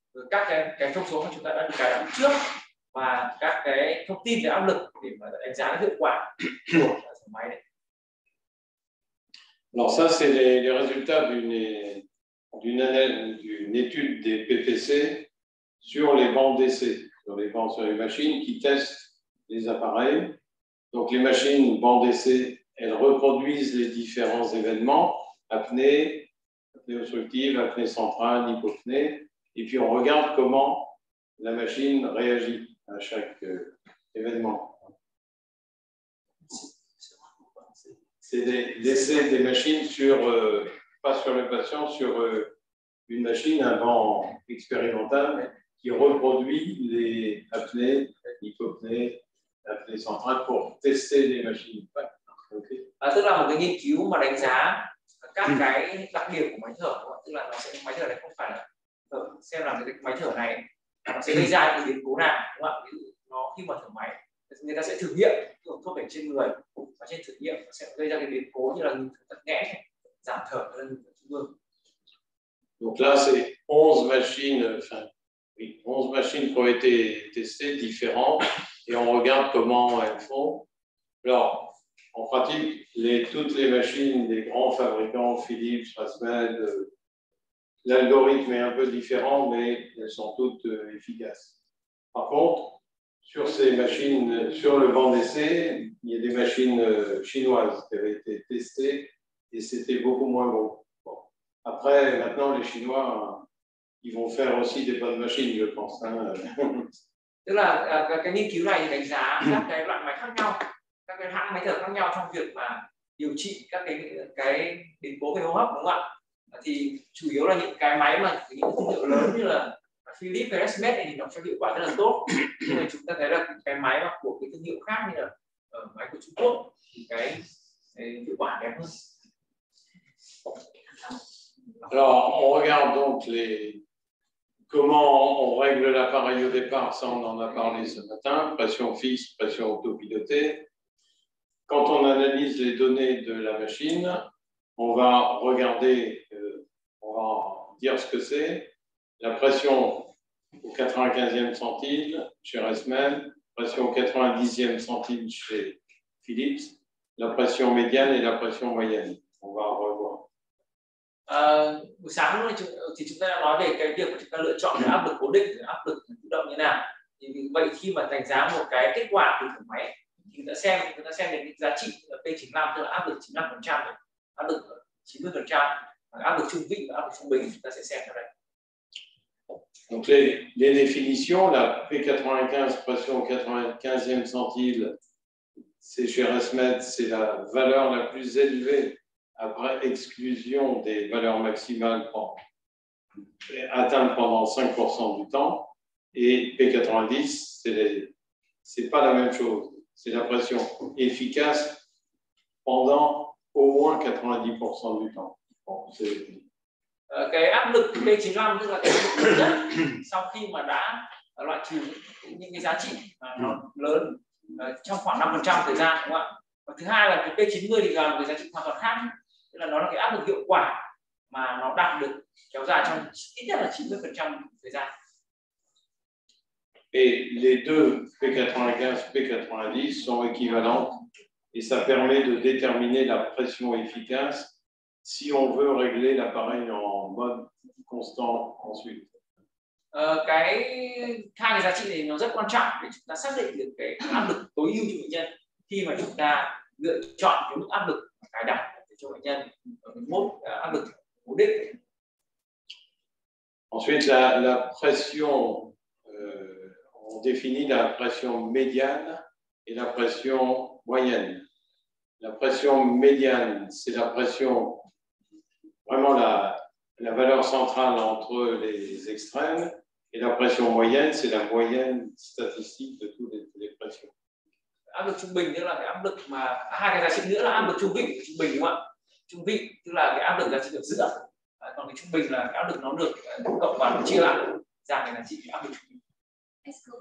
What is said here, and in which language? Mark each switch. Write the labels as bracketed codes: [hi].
[vi] Các cái thông số mà chúng ta đã được cài đặt trước và các cái thông tin về áp lực để mà đánh giá hiệu quả của máy này. [fr] Alors ça c'est les résultats d'une étude des PPC sur les bandes d'essai, sur les machines qui testent les appareils. Donc les machines bandes d'essai, elles reproduisent les différents événements, apnée obstructive, apnée centrale, hypopnée. Et puis on regarde comment la machine réagit à chaque événement. C'est des essais des machines sur, pas sur le patient, sur une machine, un banc expérimental qui reproduit les apnées, hypopnées, apnées centrales pour tester les machines. [en] Okay. [fr] C'est [vi] là một cái nghiên cứu mà đánh giá các cái đặc điểm của máy thở, tức là nó sẽ máy thở này không phải là xem là cái máy thở này sẽ gây ra những biến cố nào, đúng không ạ? Nó khi mà thở máy, người ta sẽ thử nghiệm thuốc ở trên người và trên thử nghiệm sẽ gây ra cái biến cố như là ngừng tắc nghẽn, giảm thở, lên trung ương. [fr] Donc là c'est 11 machines, enfin oui, 11 machines qui ont été testées différentes et on regarde comment elles font. Alors en pratique, toutes les machines des grands fabricants, Philips, Rasmed. L'algorithme est un peu différent, mais elles sont toutes efficaces. Par contre, sur ces machines, sur le banc d'essai, il y a des machines chinoises qui avaient été testées et c'était beaucoup moins bon. Bon. Après, maintenant, les Chinois, ils vont faire aussi des bonnes machines, je pense. Hein. [vi] Tức là, cái nghiên cứu này đánh giá các cái loại máy khác nhau, các cái hãng máy thở khác nhau trong việc mà điều trị các cái biến cố về hô hấp, đúng không ạ? Thì chủ yếu là những cái máy mà những thương hiệu lớn như là Philips, Resmed thì nó cho hiệu quả rất là tốt. Nhưng mà chúng ta thấy là cái máy mà của cái thương hiệu khác như là máy của Trung Quốc thì cái hiệu quả kém hơn. [fr] Alors on regarde donc comment on règle l'appareil au départ. Ça on en a parlé ce matin. Pression fixe, pression autopilotée. Quand on analyse les données de la machine, on va regarder, on va dire ce que c'est. La pression au 95e centile chez Resmed, pression au 90e centile chez Philips, la pression médiane et la pression moyenne. On va revoir. [vi] Buổi sáng thì chúng ta đã nói về cái việc chúng ta lựa chọn áp lực cố định, áp lực tự động như nào. Thì vậy khi mà đánh giá một cái kết quả của thử máy, thì chúng ta xem đến giá trị là P95, tức là áp lực 95%. Áp lực 90%, áp lực trung vị và áp lực trung bình, chúng ta sẽ xem ở đây. [fr] Donc les définitions, la P95, pression au 95e centile, c'est chez Resmed, c'est la valeur la plus élevée après exclusion des valeurs maximales atteintes pendant 5% du temps. Et P90, c'est pas la même chose. C'est la pression efficace pendant au moins 90% du temps. Bon, [vi] cái áp lực P95 tức là cái áp lực lớn nhất sau khi mà đã loại trừ những cái giá trị nó lớn trong khoảng 5% thời gian, đúng không ạ? thứ hai là cái P90 thì gần với giá trị hoàn toàn khác, tức là nó là cái áp lực hiệu quả mà nó đạt được kéo dài trong ít nhất là 90% thời gian. [fr] Et les deux P95 P90 sont équivalents et ça permet de déterminer la pression efficace si on veut régler l'appareil en mode constant ensuite. [vi] Cái hai giá trị này nó rất quan trọng để chúng ta xác định được cái áp lực tối ưu cho bệnh nhân khi mà chúng ta lựa chọn cái mức áp lực cài đặt cho bệnh nhân ở mức áp lực cố định. [fr] Ensuite la pression on définit la pression médiane et la pression moyenne. La pression médiane, c'est la pression, vraiment la valeur centrale entre les extrêmes. Et la pression moyenne, c'est la moyenne statistique de toutes les pressions. [vi] Áp lực trung bình, tức là cái áp lực mà hai cái giá trị nữa là áp lực trung bình đúng không ạ? Trung vị, tức là cái áp lực giá trị ở giữa. Còn cái trung bình là cái áp lực nó được cộng và nó chia lại, giảm cái giá trị áp lực trung bình.